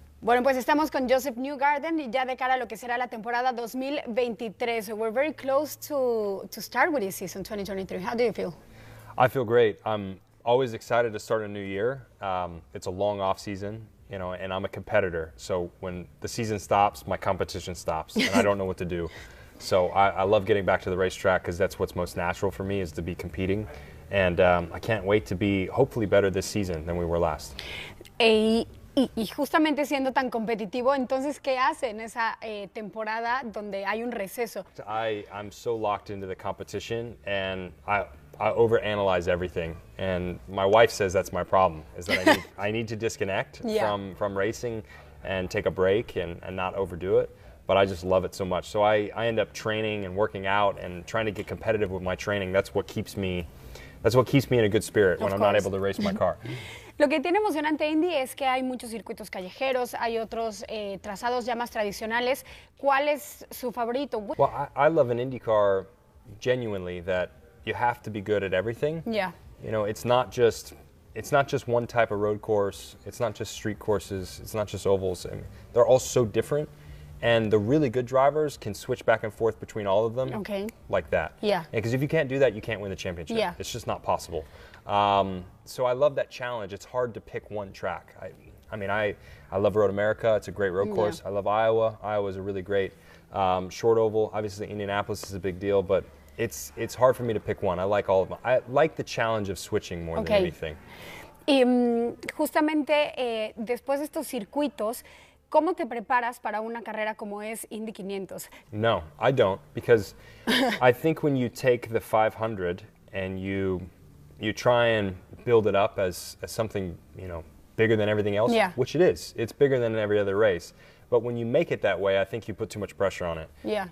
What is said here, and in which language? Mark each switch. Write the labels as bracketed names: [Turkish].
[Spanish] Bueno, pues estamos con Josef Newgarden y ya de cara a lo que será la temporada 2023. [English] So we're very close to start with this season 2023. How do you feel? I feel great. I'm always excited to start a new year. It's a long off season, you know, and I'm a competitor. So when the season stops, my competition stops, and I don't know what to do. So I love getting back to the racetrack because that's what's most natural for me is to be competing. And I can't wait to be hopefully better this season than we were last. [Spanish] Y justamente siendo tan competitivo, entonces, ¿qué hace en esa temporada donde hay un receso? [English] I'm so locked into the competition, and I overanalyze everything. And my wife says that's my problem, is that I need to disconnect from racing and take a break and not overdo it. But I just love it so much. So I end up training and working out and trying to get competitive with my training. That's what keeps me in a good spirit when I'm not able to race my car. [Spanish] Lo que tiene emocionante Indy es que hay muchos circuitos callejeros, hay otros trazados ya más tradicionales. ¿Cuál es su favorito? [English] Well, I love an IndyCar genuinely that you have to be good at everything. Yeah. You know, it's not just one type of road course. It's not just street courses. It's not just ovals. I mean, they're all so different. And the really good drivers can switch back and forth between all of them like that. Yeah. Because if you can't do that, you can't win the championship. Yeah. It's just not possible. So I love that challenge. It's hard to pick one track. I mean, I love Road America. It's a great road course. I love Iowa. Iowa is a really great short oval. Obviously, Indianapolis is a big deal, but it's hard for me to pick one. I like all of them. I like the challenge of switching more than anything. [Spanish] Y justamente después de estos circuitos, ¿cómo te preparas para una carrera como es Indy 500? [English] No, I don't, because I think when you take the 500 and you try and build it up as something, you know, bigger than everything else, which it is. It's bigger than every other race. But when you make it that way, I think you put too much pressure on it. Yeah.